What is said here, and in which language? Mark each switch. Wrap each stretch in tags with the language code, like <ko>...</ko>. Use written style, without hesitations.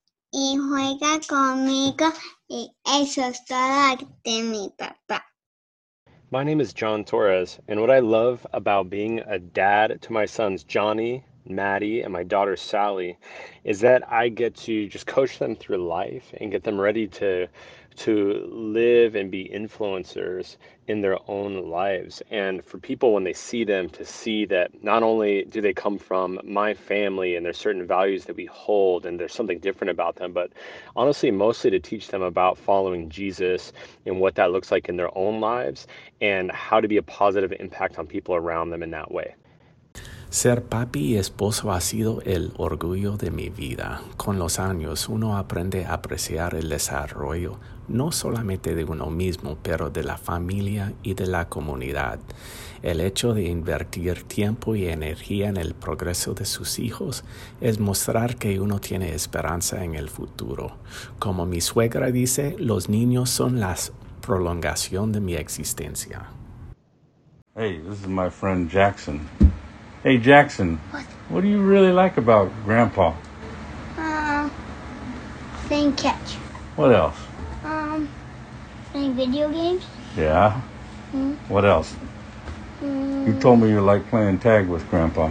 <es>Y juega conmigo y eso es todo de mi papá.</es> <en>My name is John Torres, and what I love about being a dad to my sons Johnny, Maddie, and my daughter Sally is that I get to just coach them through life and get them ready to live and be influencers in their own lives. And for people, when they see them, to see that not only do they come from my family and there's certain values that we hold and there's something different about them, but honestly, mostly to teach them about following Jesus and what that looks like in their own lives and how to be a positive impact on people around them in that way.</en> <es>Ser papi y esposo ha sido el orgullo de mi vida. Con los años, uno aprende a apreciar el desarrollo, no solamente de uno mismo, pero de la familia y de la comunidad. El hecho de invertir tiempo y energía en el progreso de sus hijos es mostrar que uno tiene esperanza en el futuro. Como mi suegra dice, los niños son la prolongación de mi existencia.</es> <en>Hey, this is my friend Jackson. Hey, Jackson, what do you really like about Grandpa? Playing catch. What else? Playing video games. Yeah? What else? You told me you like playing tag with Grandpa.</en>